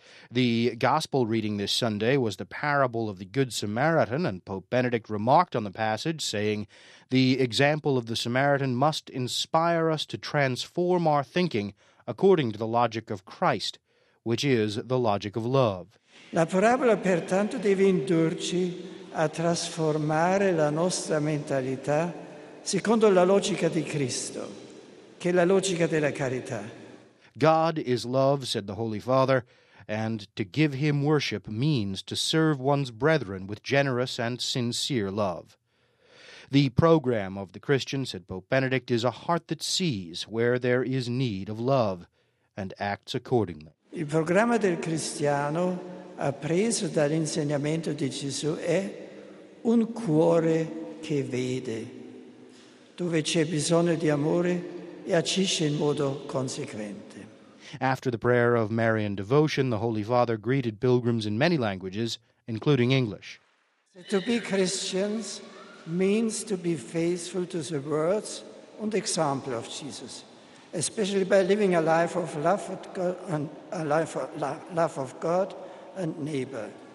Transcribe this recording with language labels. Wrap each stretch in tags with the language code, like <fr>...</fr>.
<en>The Gospel reading this Sunday was the parable of the Good Samaritan, and Pope Benedict remarked on the passage, saying, "The example of the Samaritan must inspire us to transform our thinking according to the logic of Christ, which is the logic of love."</en> <it>La parabola pertanto deve indurci a trasformare la nostra mentalità secondo la logica di Cristo, che è la logica della carità.</it> <en>God is love, said the Holy Father, and to give him worship means to serve one's brethren with generous and sincere love. The program of the Christian, said Pope Benedict, is a heart that sees where there is need of love and acts accordingly.</en> <it>Il programma del cristiano, appreso dall'insegnamento di Gesù, è un cuore che vede. Dove c'è bisogno di amore, e agisce in modo conseguente.</it> <en>After the prayer of Marian devotion, the Holy Father greeted pilgrims in many languages, including English. To be Christians means to be faithful to the words and example of Jesus, especially by living a life of love for God and a life of love of God and neighbor.</en>